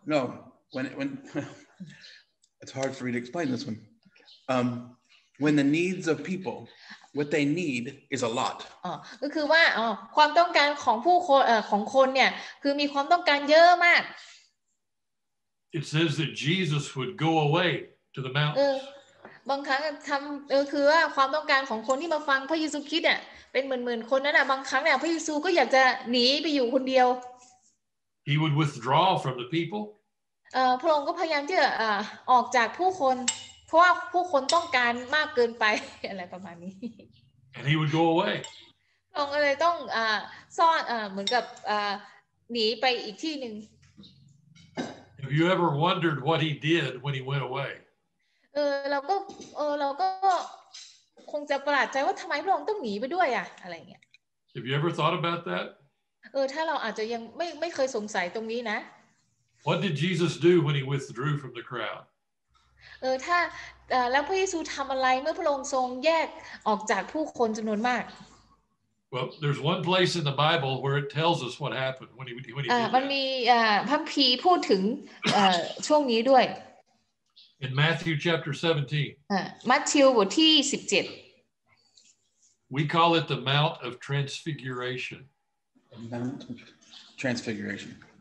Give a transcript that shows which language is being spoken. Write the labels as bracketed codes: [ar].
[en] No, when it's hard for me to explain this one. When the needs of people, what they need is a lot. [th] ก็คือว่าความต้องการของผู้คนของคนเนี่ยคือมีความต้องการเยอะมาก [en] It says that Jesus would go away to the mountains. [th] บางครั้งทำคือว่าความต้องการของคนที่มาฟังพระเยซูคริสต์เนี่ยเป็นหมื่นๆคนนั้นอ่ะบางครั้งเนี่ยพระเยซูก็อยากจะหนีไปอยู่คนเดียว [en] He would withdraw from the people [th] พระองค์ก็พยายามที่จะออกจากผู้คนเพราะว่าผู้คนต้องการมากเกินไปอะไรประมาณนี้ [en] And he would go away [th] พระองค์เลยต้องซ่อนเหมือนกับหนีไปอีกที่นึง [en] Have you ever wondered what he did when he went away [th] เราก็คงจะประหลาดใจว่าทำไมพระองค์ต้องหนีไปด้วยอ่ะอะไรเงี้ย [en] Have you ever thought about that? [th] ถ้าเราอาจจะยังไม่เคยสงสัยตรงนี้นะ [en] What did Jesus do when he withdrew from the crowd? [th] ถ้าแล้วพระเยซูทำอะไรเมื่อพระองค์ทรงแยกออกจากผู้คนจำนวนมาก [en] Well, there's one place in the Bible where it tells us what happened when he did that. [th] มันมีพระคัมภีร์พูดถึงช่วงนี้ด้วย [en] In Matthew chapter 17. [th] Matthew บทที่17. [en] We call it the Mount of Transfiguration. Mount of Transfiguration.